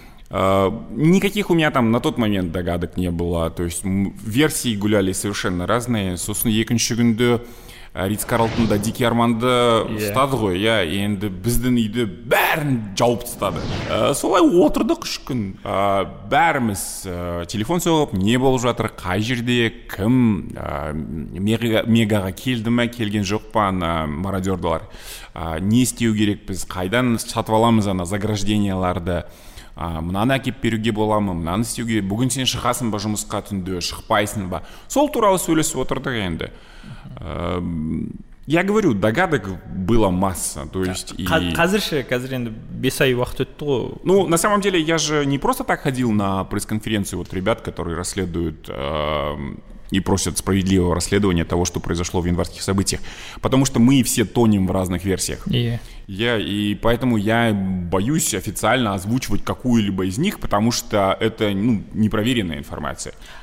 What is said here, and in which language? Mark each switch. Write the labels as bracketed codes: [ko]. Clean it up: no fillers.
[ru] Никаких у меня там на тот момент догадок не было. То есть версии гуляли совершенно разные. [kk] Сосын екінші күнде Риц Карлтонда Дикий Арманды ұстады ғой, иә, енді біздің үйді бәрін жауып тастады. Солай отырдық үш күн. Бәріміз телефон соғып, не болып жатыр, қай жерде, кім, мегаға келді ме, келген жоқ па, ана мародердалар. Не істеу керек біз, қайдан сатып аламыз ана заграждениеларды. Мынаны әкеп беруге бола ма, мынаны істеуге, бүгін сен шығасың ба жұмысқа түнде, шықпайсың ба, сол туралы сөйлесіп отырдық енді. [ru] Я говорю, догадок было масса, то есть. [kk] Қазір енді 5 ай уақыт өтті ғой. [ru] Ну, на самом деле, я же не просто так ходил на пресс-конференцию вот ребят, которые расследуют и просят справедливого расследования того, что произошло в январских событиях. Потому что мы все тонем в разных версиях. И поэтому я боюсь официально озвучивать какую-либо из них, потому что это, ну, непроверенная информация.